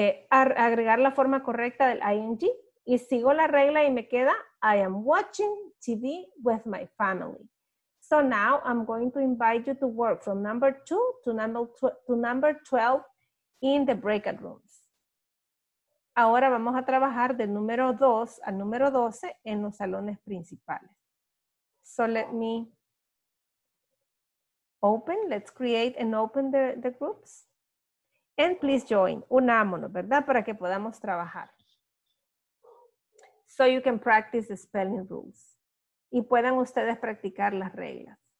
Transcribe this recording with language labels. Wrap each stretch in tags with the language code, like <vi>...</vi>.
<es>Agregar la forma correcta del ing y sigo la regla y me queda</es> <en>I am watching TV with my family. So now I'm going to invite you to work from number two to number 12 in the breakout rooms.</en> <es>Ahora vamos a trabajar del número 2 al número 12 en los salones principales.</es> <en>So let me open, let's create and open the groups. And please join,</en> <es>unámonos, ¿verdad? Para que podamos trabajar.</es> <en>So you can practice the spelling rules.</en> <es>Y puedan ustedes practicar las reglas.</es>